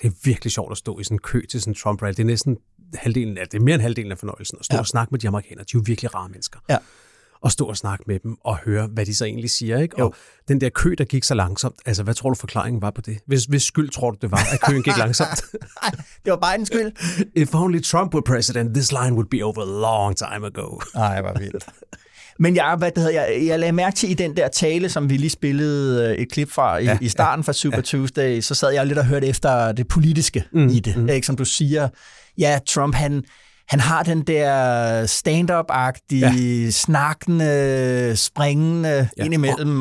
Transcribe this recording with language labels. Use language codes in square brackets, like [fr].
[da] Det er virkelig sjovt at stå i sådan en kø til sådan en Trump rally. Det er næsten halvdelen af, det er mere end halvdelen af fornøjelsen at stå og snakke med de amerikanere. De er jo virkelig rare mennesker. Ja. Og stå og snakke med dem og høre, hvad de så egentlig siger. Ikke? Og den der kø, der gik så langsomt. Altså, hvad tror du, forklaringen var på det? Hvis skyld tror du, det var, at køen gik langsomt? Nej, det var Bidens skyld. [en] If only Trump were president, this line would be over a long time ago. [da] Ej, hvor vildt. Men jeg lagde mærke til i den der tale, som vi lige spillede et klip fra i starten fra Super Tuesday, så sad jeg lidt og hørte efter det politiske i det. Mm. Ikke? Som du siger, ja, Trump han har den der stand-up-agtige, snakkende, springende indimellem.